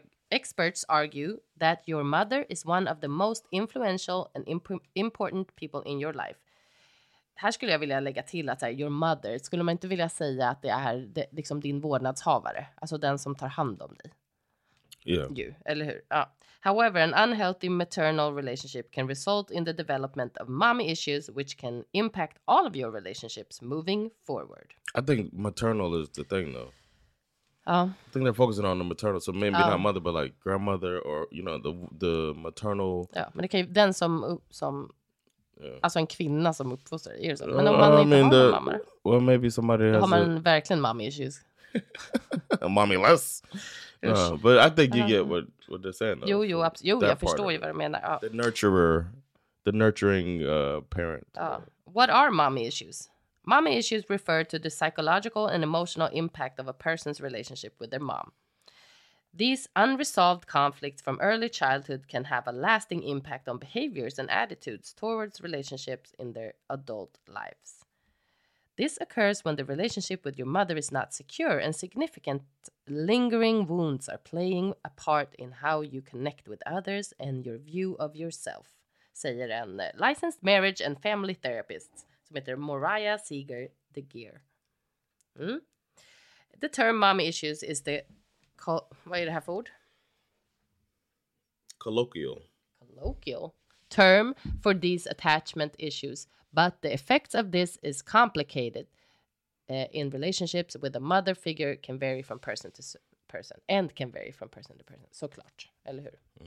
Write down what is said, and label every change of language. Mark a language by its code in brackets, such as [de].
[en] Experts argue that your mother is one of the most influential and important people in your life. [sv] Här skulle jag vilja lägga till att här, [en] your mother, [sv] skulle man inte vilja säga att det är liksom din vårdnadshavare, alltså den som tar hand om dig. [en] Yeah. [sv] You, eller hur? Ja. [en] However, an unhealthy maternal relationship can result in the development of mommy issues which can impact all of your relationships moving forward. I think maternal is the thing though. [sv] Ja. [en] I think they're focusing on the maternal, so maybe not mother but like grandmother or you know the maternal. [sv] Ja, men det kan ju den som [en] yeah. [sv] Alltså en kvinna som uppfostrar er så. Men om man inte har en mamma. [en] Well, maybe somebody [sv] has. Har man verkligen mommy issues? [en] Mommyless. But I think you get what they're saying. Though, [sv] jo, jo, jag förstår ju vad du menar. [en] The nurturer, the nurturing parent. What are mommy issues? Mommy issues refer to the psychological and emotional impact of a person's relationship with their mom. These unresolved conflicts from early childhood can have a lasting impact on behaviors and attitudes towards relationships in their adult lives. This occurs when the relationship with your mother is not secure and significant lingering wounds are playing a part in how you connect with others and your view of yourself, [sv] säger en [en] licensed marriage and family therapist [sv] som heter [en] Moriah Seeger de Geer. Mm? The term mommy issues is the... [sv] Vad är det här för ord? [en] colloquial term for these attachment issues, but the effects of this is complicated. In relationships with a mother figure can vary from person to person and can vary from person to person. [sv] Såklart, eller hur?